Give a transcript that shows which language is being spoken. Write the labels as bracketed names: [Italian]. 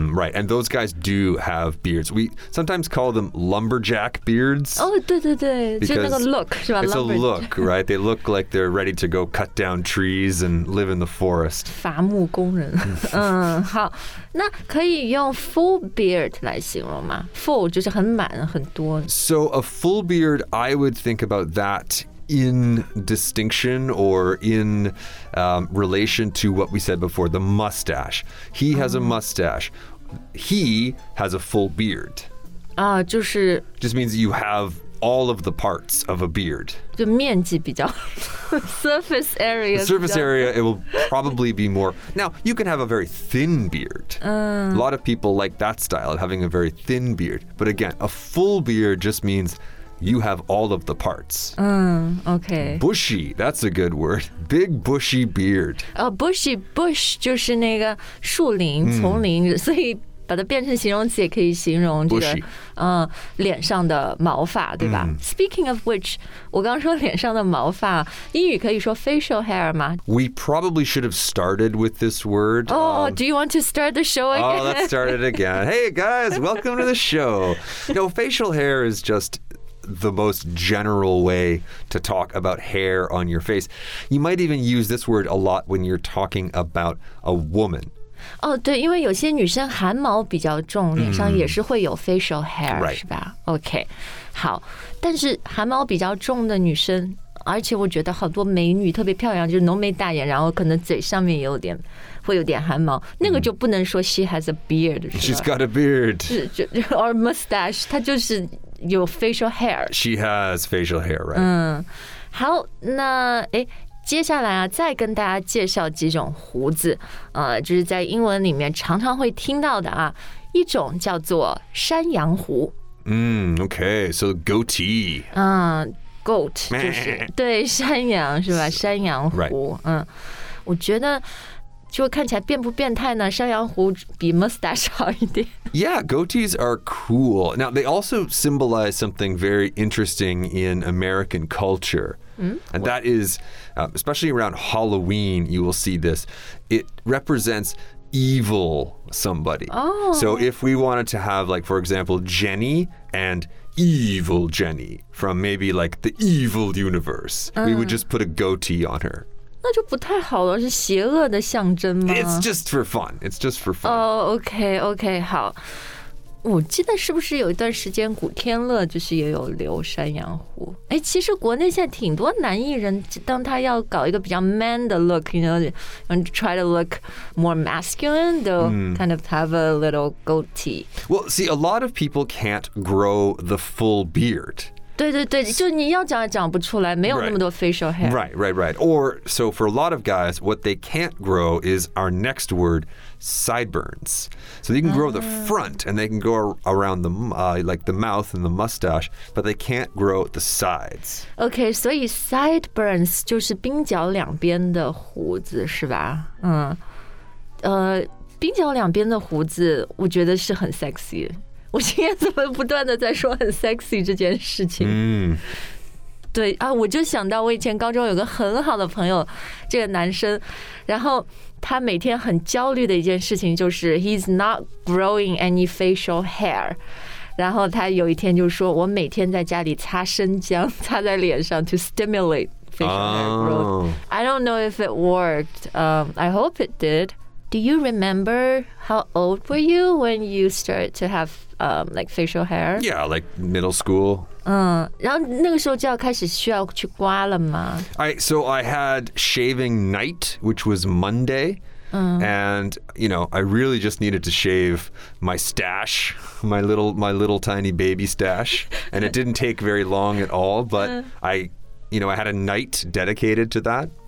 [English] Right, and those guys do have beards. We sometimes call them lumberjack beards. [Chinese] Oh, 对对对，就那个 look 是吧？ [English] It's a look, right? They look like they're ready to go cut down trees and live in the forest. [Chinese] 伐木工人。好，那可以用 full beard 来形容吗？ Full 就是很满很多。 [English] So a full beard, I would think about that in distinction or in relation to what we said before, the mustache. He has a mustache. He has a full beard. Just means you have all of the parts of a beard. [Chinese] 就面积比较 surface area. [English] The surface area, it will probably be more. Now, you can have a very thin beard. A lot of people like that style of having a very thin beard. But again, a full beard just means... You have all of the parts. Okay. Bushy, that's a good word. Big bushy beard. [Chinese] Bush 就是那个树林、丛林，所以把它变成形容词也可以形容这个、脸上的毛发，对吧、 [English] Speaking of which, [Chinese] 我刚说脸上的毛发，英语可以说 facial hair 吗？ [English] We probably should have started with this word. Do you want to start the show again? Oh, let's start it again. Hey, guys, welcome to the show. No, facial hair is just... the most general way to talk about hair on your face. You might even use this word a lot when you're talking about a woman. [Chinese] Oh, 对，因为有些女生汗毛比较重，脸上也是会有 facial hair, [English] right. [Chinese] 是吧？ Okay, 好，但是汗毛比较重的女生，而且我觉得好多美女特别漂亮，就是浓眉大眼，然后可能嘴上面也有点会有点汗毛，那个就不能说 [English] she has a beard, She's got a beard. [Chinese] Or mustache, 她就是有 facial hair. [English] She has facial hair, right? [Chinese] 好，那接下来啊，再跟大家介绍几种胡子，就是在英文里面常常会听到的啊，一种叫做山羊胡。 [English] Okay, so goatee. [Chinese] Goat 就是对山羊是吧？山羊胡。 [English] Right. [Chinese] 我觉得。就看起来变不变态呢？山羊胡比 mustache 好一点。 [English] Yeah, goatees are cool. Now, they also symbolize something very interesting in American culture. And that is, especially around Halloween, you will see this. It represents evil somebody. So if we wanted to have, like, for example, Jenny and evil Jenny from maybe like the evil universe, we would just put a goatee on her. [Chinese] 那就不太好了，是邪恶的象征吗？ [English] It's just for fun. It's just for fun. [Chinese] Okay, 好。我记得是不是有一段时间古天乐就是也有留山羊胡？其实国内现在挺多男艺人，当他要搞一个比较 man 的 look, [English] you know, and try to look more masculine, they'll kind of have a little goatee. Well, see, a lot of people can't grow the full beard. [Chinese] 对对对，就你要长也长不出来，没有那么多 facial hair. [English] Right. Or, so for a lot of guys, what they can't grow is our next word, sideburns. So you can grow the front, and they can go around the,like the mouth and the mustache, but they can't grow the sides. [Chinese] Okay, 所以 sideburns 就是鬓角两边的胡子，是吧？鬓角两边的胡子，我觉得是很 sexy。我今天怎么不断的在说很 sexy 这件事情？对啊，我就想到我以前高中有个很好的朋友，这个男生，然后他每天很焦虑的一件事情就是 [English] he's not growing any facial hair。 [Chinese] 然后他有一天就说，我每天在家里擦生姜，擦在脸上 [English] to stimulate facial hair growth. I don't know if it worked. I hope it did. Do you remember how old were you when you started to have, like facial hair? Yeah, like middle school. [Chinese] 然后那个时候就要开始需要去刮了吗？ [English] So I had shaving night, which was Monday. And, you know, I really just needed to shave my stash, my little tiny baby stash. And it didn't take very long at all, but I had a night dedicated to that.